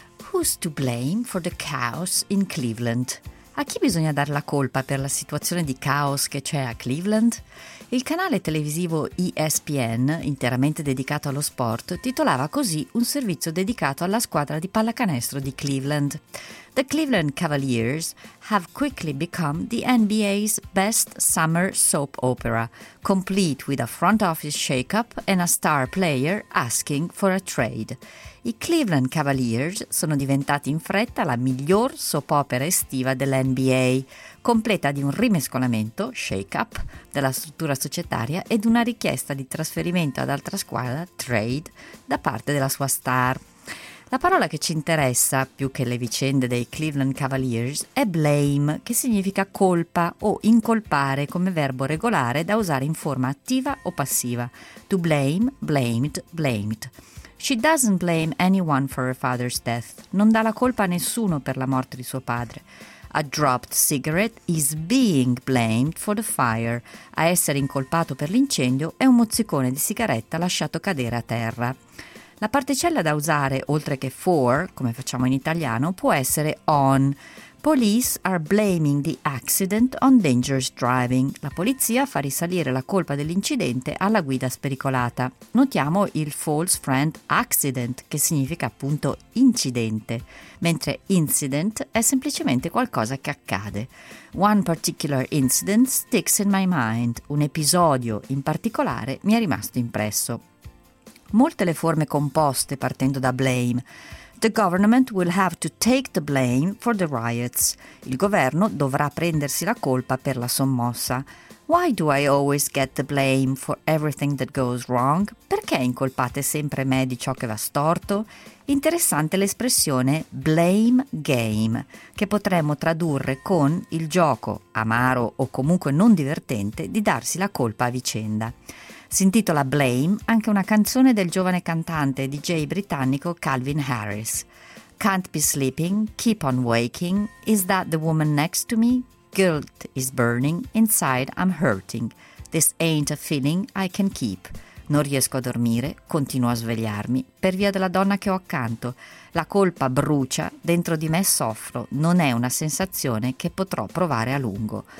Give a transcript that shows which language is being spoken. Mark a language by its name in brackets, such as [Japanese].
[English] Who's to blame for the chaos in Cleveland? [Italian] A chi bisogna dar la colpa per la situazione di caos che c'è a Cleveland? Il canale televisivo ESPN, interamente dedicato allo sport, titolava così un servizio dedicato alla squadra di pallacanestro di Cleveland. [English] The Cleveland Cavaliers have quickly become the NBA's best summer soap opera, complete with a front office shakeup and a star player asking for a trade. [Italian] I Cleveland Cavaliers sono diventati in fretta la miglior soap opera estiva dell'NBA, completa di un rimescolamento, shakeup, della struttura societaria ed una richiesta di trasferimento ad altra squadra, trade, da parte della sua star. La parola che ci interessa, più che le vicende dei Cleveland Cavaliers, è blame, che significa colpa o incolpare come verbo regolare da usare in forma attiva o passiva. [English] To blame, blamed, blamed. She doesn't blame anyone for her father's death. [Italian] Non dà la colpa a nessuno per la morte di suo padre. [English] A dropped cigarette is being blamed for the fire. [Italian] A essere incolpato per l'incendio è un mozzicone di sigaretta lasciato cadere a terra. La particella da usare, oltre che for, come facciamo in italiano, può essere on. [English] Police are blaming the accident on dangerous driving. [Italian] La polizia fa risalire la colpa dell'incidente alla guida spericolata. Notiamo il false friend accident, che significa appunto incidente, mentre incident è semplicemente qualcosa che accade. [English] One particular incident sticks in my mind. [Italian] Un episodio in particolare mi è rimasto impresso. Molte le forme composte partendo da blame. [English] The government will have to take the blame for the riots. [Italian] Il governo dovrà prendersi la colpa per la sommossa. [English] Why do I always get the blame for everything that goes wrong? [Italian] Perché incolpate sempre me di ciò che va storto? Interessante l'espressione blame game, che potremmo tradurre con il gioco, amaro o comunque non divertente, di darsi la colpa a vicenda. Si intitola Blame anche una canzone del giovane cantante DJ britannico Calvin Harris. [English] Can't be sleeping, keep on waking, is that the woman next to me? Guilt is burning, inside I'm hurting, this ain't a feeling I can keep. [Italian] Non riesco a dormire, continuo a svegliarmi, per via della donna che ho accanto. La colpa brucia, dentro di me soffro, non è una sensazione che potrò provare a lungo.